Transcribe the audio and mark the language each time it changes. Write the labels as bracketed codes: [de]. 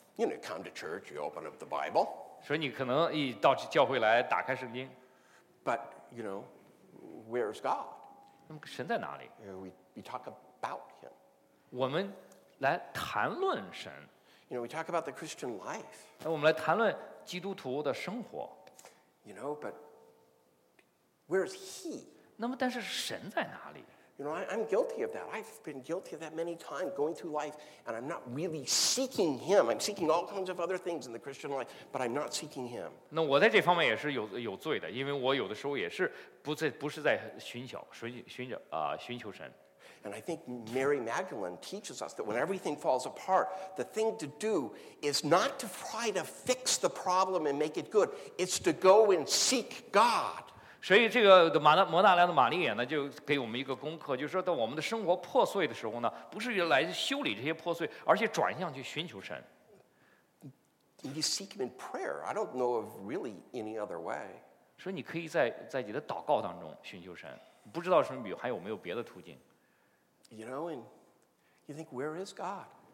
[en] You know, come to church, you open up the Bible. [zh] 所以你可能一到教会来打开圣经。 [en] But, you know, where is God? [zh] 那么神在哪里？ [en] We talk about him. [zh] 我们来谈论神。 [en] You know, we talk about the Christian life. [zh] 那我们来谈论基督徒的生活。 [en] You know, but where is he? [zh] 那么但是神在哪里？ [en] You know, I'm guilty of that. I've been guilty of that many times going through life, and I'm not really seeking him. I'm seeking all kinds of other things in the Christian life, but I'm not seeking him. [zh] 那我在这方面也是有罪的，因为我有的时候也是不是在寻求神。 [en] And I think Mary Magdalene teaches us that when everything falls apart, the thing to do is not to try to fix the problem and make it good. It's to go and seek God. [zh] 所以这个摩大良的玛利亚呢，就给我们一个功课，就是说，在我们的生活破碎的时候呢，不是来修理这些破碎，而且转向去寻求神。 [en] You seek him in prayer. I don't know of really any other way. [zh] 所以你可以在你的祷告当中寻求神，不知道什么还有没有别的途径。 [en] You know, and you think, where is God?